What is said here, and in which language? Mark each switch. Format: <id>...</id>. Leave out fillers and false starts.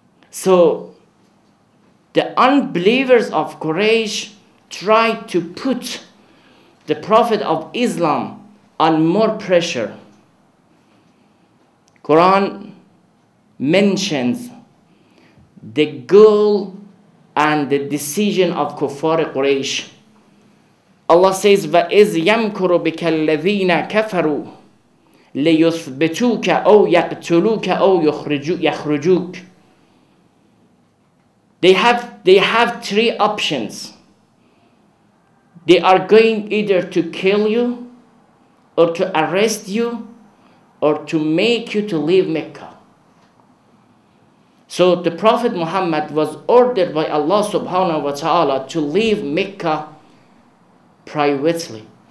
<en>So the unbelievers of Quraysh tried to put the Prophet of Islam on more pressure. Quran mentions the goal and the decision of Kuffar Quraysh. Allah says,</en> <ar>وَإِذْ يَمْكُرُ بِكَ الَّذِينَ كَفَرُوا لِيُثْبِتُوكَ أَوْ يَقْتُلُوكَ أَوْ يُخْرِجُوكَ.</ar> <en>They have three options. They are going either to kill you, or to arrest you, or to make you to leave Mecca. So the Prophet Muhammad was ordered by Allah subhanahu wa ta'ala to leave Mecca privately.</en>